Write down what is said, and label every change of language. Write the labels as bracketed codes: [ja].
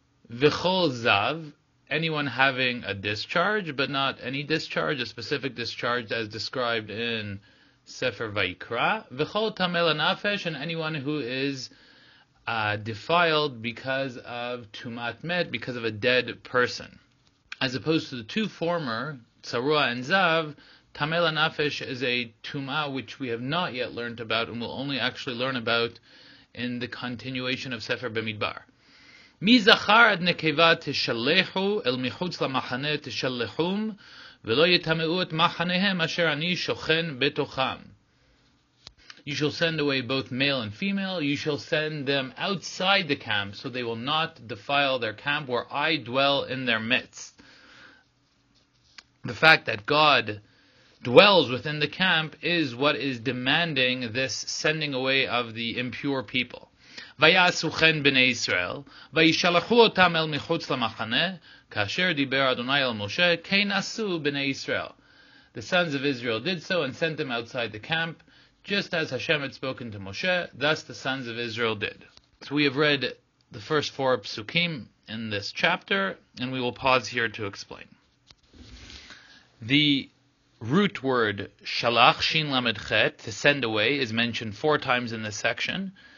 [he] V'chol zav, [en] anyone having a discharge, but not any discharge, a specific discharge as described in Sefer Vayikra, [he] v'chol tamel anafesh, [en] and anyone who is defiled because of tumat met, because of a dead person. As opposed to the two former, tsarua and zav, tamel anafesh is a tumah which we have not yet learned about and will only actually learn about in the continuation of Sefer Bemidbar. [he] Mi zachar ad nekeva tishalechu el michutz lamachane tishalechum, ולא יתמאו את מחניהם אשר אני שוכן בתוכם. [en] You shall send away both male and female. You shall send them outside the camp, so they will not defile their camp where I dwell in their midst. The fact that God dwells within the camp is what is demanding this sending away of the impure people. [he] ויעשו כן בני ישראל, וישלחו אותם אל מחוץ למחנה, כאשר דיבר אדוני אל משה, כן עשו בני ישראל. [en] The sons of Israel did so and sent them outside the camp, just as Hashem had spoken to Moshe, thus the sons of Israel did. So we have read the first four psukim in this chapter, and we will pause here to explain. The root word shalach, shin lamed chet, to send away, is mentioned four times in this section.